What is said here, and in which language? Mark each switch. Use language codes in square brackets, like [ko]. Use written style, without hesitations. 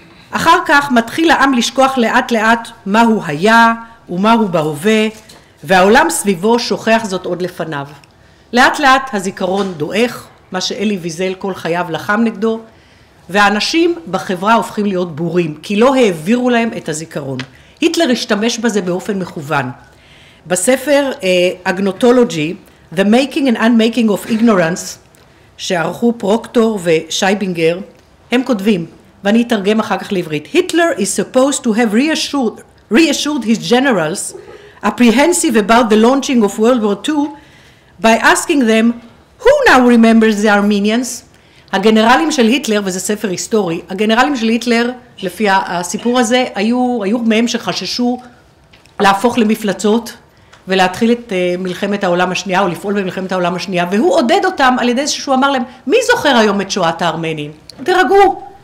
[he] אחר כך מתחיל העם לשכוח לאט לאט מה הוא היה ומה הוא בהווה, והעולם סביבו שוכח זאת עוד לפניו. לאט לאט הזיכרון דואך, מה שאלי ויזל כל חייו לחם נגדו, ואנשים בחברה הופכים להיות בורים, כי לא העבירו להם את הזיכרון. היטלר השתמש בזה באופן מכוון. בספר אגנוטולוגי, [en] The Making and Unmaking of Ignorance, [he] שערכו פרוקטור ושייבינגר, הם כותבים, ואני אתרגם אחר כך לעברית, [en] Hitler is supposed to have reassured his generals, apprehensive about the launching of World War II, by asking them, who now remembers the Armenians? [he] הגנרלים של היטלר, וזה ספר היסטורי, הגנרלים של היטלר, לפי הסיפור הזה, היו מהם שחששו להפוך למפלצות ולהתחיל את מלחמת העולם השנייה, או לפעול במלחמת העולם השנייה, והוא עודד אותם על ידי שהוא אמר להם, מי זוכר היום את שואת הארמנים? תרגעו.